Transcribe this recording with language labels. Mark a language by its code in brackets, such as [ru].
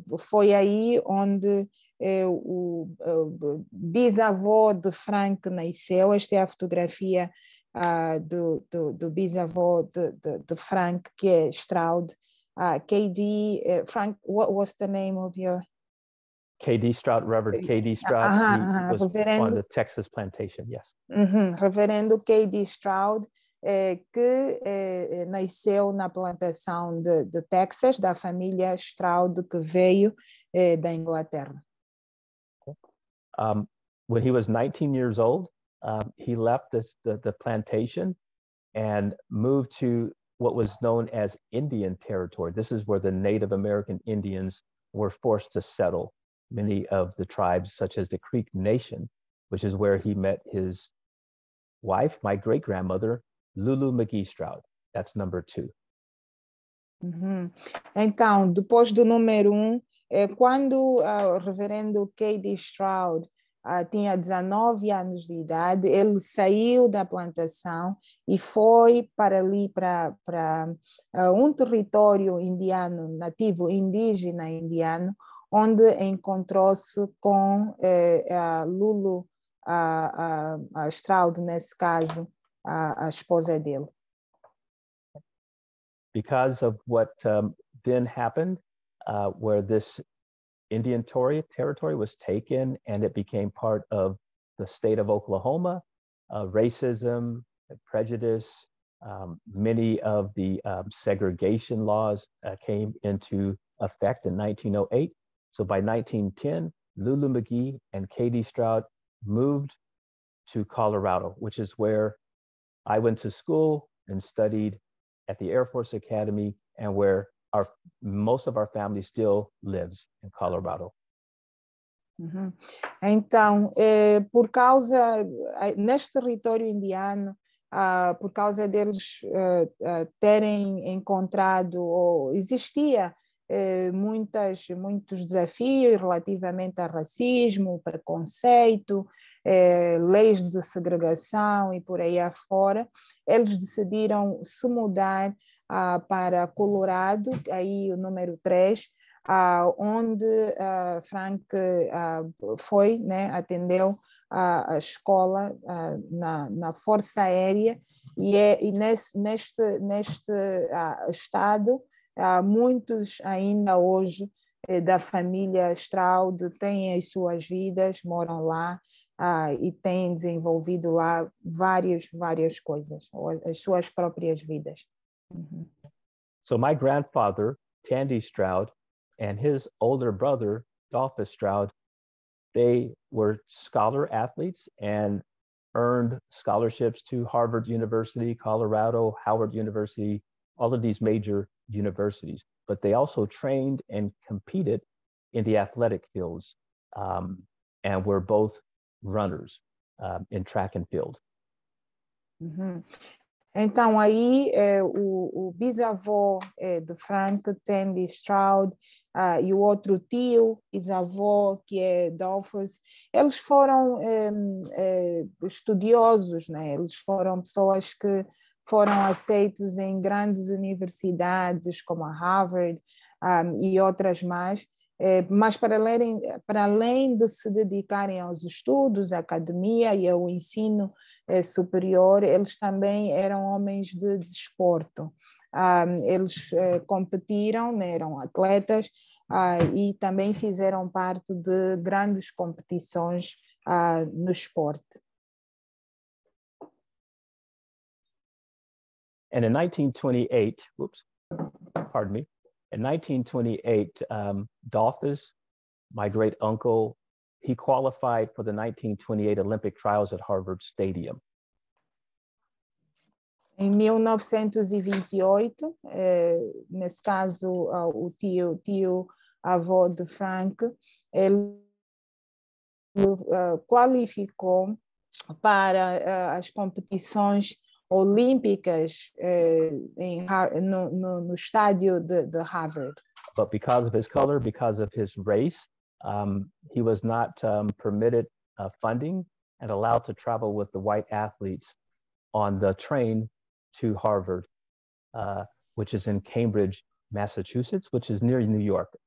[pt] Foi aí onde o bisavô de Frank nasceu. Esta é a fotografia do bisavô de Frank, que é Stroud. [en] K.D., Frank, what was the name of your... K.D. Stroud, Reverend K.D. Stroud, was Reverendo... on the Texas plantation, yes. [pt] Uh-huh. Reverendo K.D. Stroud, que nasceu na plantação de Texas, da família Stroud, que veio da Inglaterra. [en] When he was 19 years old, he left the plantation and moved to what was known as Indian territory. This is where the Native American Indians were forced to settle. Many of the tribes, such as the Creek Nation, which is where he met his wife, my great-grandmother, Lulu McGee Stroud. That's number two. Mm-hmm. [pt] Então, depois do número um, quando o reverendo K.D. Stroud tinha 19 anos de idade, ele saiu da plantação e foi para ali, para um território indiano, nativo, indígena indiano, onde encontrou-se com a Lulu a Stroud, nesse caso, a esposa dele. [en] Because of what then happened, where this Indian territory was taken and it became part of the state of Oklahoma. Racism, prejudice, many of the segregation laws came into effect in 1908. So by 1910, Lulu McGee and K.D. Stroud moved to Colorado, which is where I went to school and studied at the Air Force Academy and where most of our family still lives in Colorado. Uhum. [pt] Então, por causa, neste território indiano, por causa deles terem encontrado, ou existia muitos desafios relativamente a racismo, preconceito, leis de segregação e por aí afora, eles decidiram se mudar para Colorado, aí o número 3, onde Frank foi, né, atendeu a escola na Força Aérea, e neste estado, muitos ainda hoje da família Stroud têm as suas vidas, moram lá e têm desenvolvido lá várias coisas, as suas próprias vidas. [en] So my grandfather, Tandy Stroud, and his older brother, Dolphus Stroud, they were scholar athletes and earned scholarships to Harvard University, Colorado, Howard University, all of these major universities. But they also trained and competed in the athletic fields and were both runners in track and field. Mm-hmm. [pt] Então, aí, o bisavô de Frank, Tandy Stroud, e o outro tio, bisavô, que é Dolphus, eles foram estudiosos, né? Eles foram pessoas que foram aceitos em grandes universidades, como a Harvard e outras mais. Mas para além de se dedicarem aos estudos, à academia e ao ensino superior, eles também eram homens de desporto. Eles competiram, né, eram atletas e também fizeram parte de grandes competições no esporte. [en] And in 1928, whoops, pardon me, in 1928, Dolphus, my great uncle, he qualified for the 1928 Olympic trials at Harvard Stadium. [pt] Em 1928, nesse caso, o tio avô de Frank, ele qualificou para as competições olímpicas no estádio de Harvard. [en] But because of his color, because of his race, he was not permitted funding and allowed to travel with the white athletes on the train to Harvard, which is in Cambridge, Massachusetts, which is near New York.